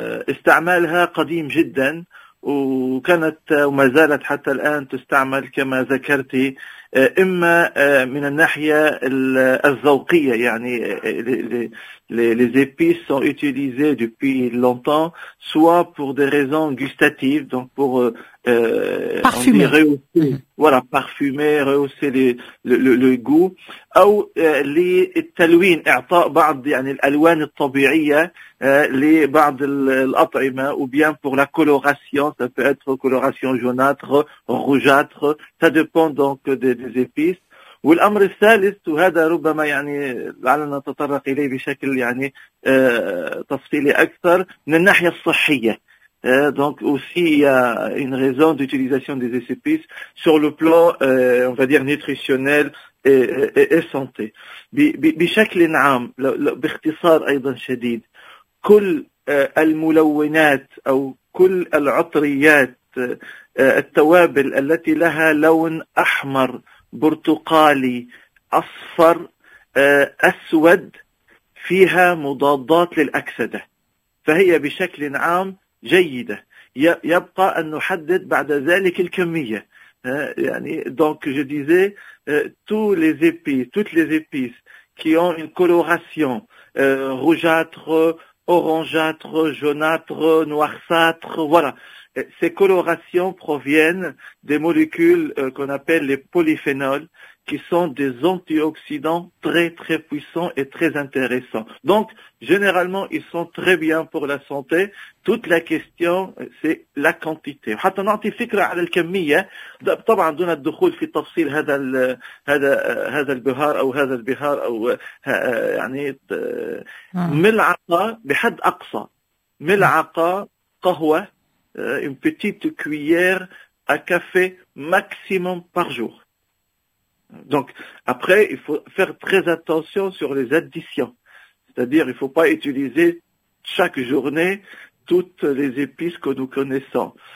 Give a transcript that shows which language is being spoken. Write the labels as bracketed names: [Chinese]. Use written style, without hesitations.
[Arabic] استعمالها قديم جدا، وكانت وما زالت حتى الآن تستعمل كما ذكرتي، إما من الناحية الذوقية يعني [French] les épices sont utilisées depuis longtemps soit pour des raisons gustatives donc pour parfumer voilà parfumer rehausser le goût [Arabic] أو للتلوين إعطاء بعض يعني الألوان الطبيعية لبعض الأطعمة أو [French] bien pour la coloration ça peut être coloration jaunâtre rougeâtre ça dépend donc des épices. [Arabic] والأمر الثالث وهذا ربما يعني لعلنا نتطرق إليه بشكل يعني تفصيلي أكثر من الناحية الصحية. [French] Donc aussi il y a une raison d'utilisation des épices sur le plan on va dire nutritionnel et santé. [Arabic] بشكل عام باختصار أيضا شديد، كل الملونات أو كل العطريات التوابل التي لها لون أحمر برتقالي أصفر أسود فيها مضادات للأكسدة، فهي بشكل عام جيدة. يبقى أن نحدد بعد ذلك الكمية. يعني [French] donc je disais tous les épices toutes les épices qui ont une coloration rougeâtre orangeâtre jaunâtre noirceâtre voilà. Ces colorations proviennent des molécules qu'on appelle les polyphénols, qui sont des antioxydants très très puissants et très intéressants. Donc, généralement, ils sont très bien pour la santé. Toute la question, c'est la quantité. [Arabic] حتى نعطي فكرة على الكمية. طبعا دون الدخول في تفصيل هذا الـ هذا هذا البهار أو هذا البهار أو يعني ملعقة بحد أقصى ملعقة قهوة. [French] Une petite cuillère à café maximum par jour. Donc, après, il faut faire très attention sur les additions. C'est-à-dire, il ne faut pas utiliser chaque journée toutes les épices que nous connaissons.